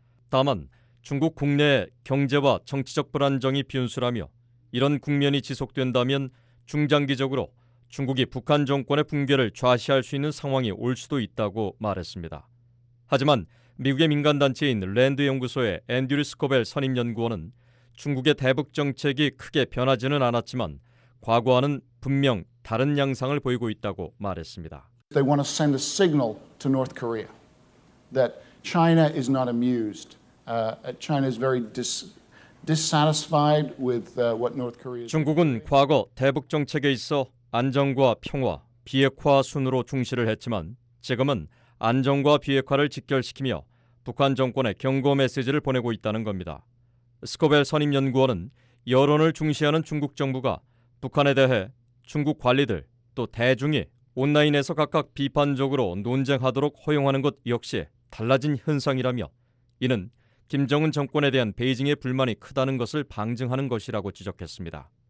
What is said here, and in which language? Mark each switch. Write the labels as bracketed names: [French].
[Korean] 다만 중국 국내의 경제와 정치적 불안정이 변수라며 이런 국면이 지속된다면 중장기적으로 중국이 북한 정권의 붕괴를 좌시할 수 있는 상황이 올 수도 있다고 말했습니다. 하지만 미국의 민간단체인 랜드연구소의 앤드류 스코벨 선임연구원은 중국의 대북정책이 크게 변하지는 않았지만 과거와는 분명 다른 양상을 보이고 있다고 말했습니다. [English] They want to send a signal to North Korea that China is not amused. China is very dissatisfied with what North Korea is. [Korean] 중국은 과거 대북정책에 있어 안정과 평화, 비핵화 순으로 중시를 했지만 지금은 안정과 비핵화를 직결시키며 북한 정권에 경고 메시지를 보내고 있다는 겁니다. 스코벨 선임연구원은 여론을 중시하는 중국 정부가 북한에 대해 중국 관리들 또 대중이 온라인에서 각각 비판적으로 논쟁하도록 허용하는 것 역시 달라진 현상이라며 이는 김정은 정권에 대한 베이징의 불만이 크다는 것을 방증하는 것이라고 지적했습니다.